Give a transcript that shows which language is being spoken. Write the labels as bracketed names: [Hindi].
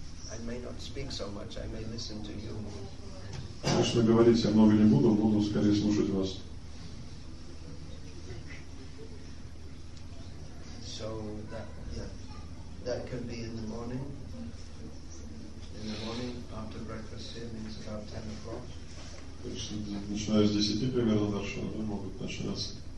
[English] I may not speak so much, I may listen to you. [Russian] Конечно, говорить я много не буду, буду скорее слушать вас. [English] So that can be in the morning. In the morning after breakfast here means about 10 o'clock. [Russian] Начиная с 10 примерно дальше, да, могут начинаться.